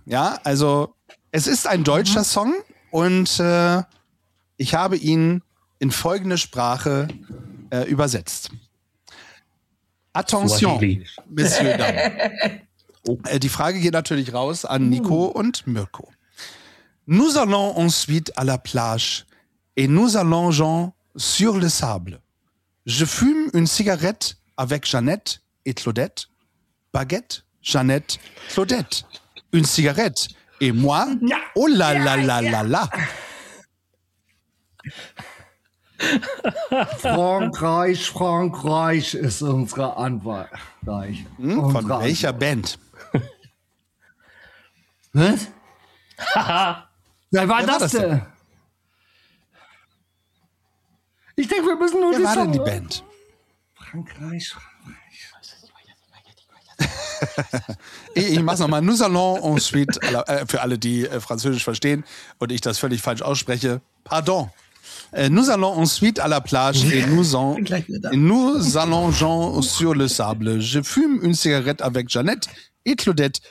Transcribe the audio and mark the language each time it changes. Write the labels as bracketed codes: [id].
[de] Ja, also es ist ein deutscher Song und ich habe ihn in folgende Sprache übersetzt. [fr] Attention, Monsieur Dame. [de] Die Frage geht natürlich raus an Nico und Mirko. [fr] Nous allons ensuite à la plage et nous allongeons sur le sable. Je fume une cigarette avec Jeannette et Claudette. Baguette, Jeannette, Claudette. Une cigarette et moi, oh la la la la la. [de] Frankreich ist unsere Antwort. Von unsere welcher Antwort. Band? Was? Wer war das denn? Ich denke, wir müssen nur die Wer war denn die Band? Frankreich. Ich mach's nochmal. [fr] Nous allons ensuite, [de] für alle, die Französisch verstehen und ich das völlig falsch ausspreche, [fr] pardon. Nous allons ensuite à la plage et nous allongeons sur le sable. Je fume une cigarette avec Jeannette et Claudette.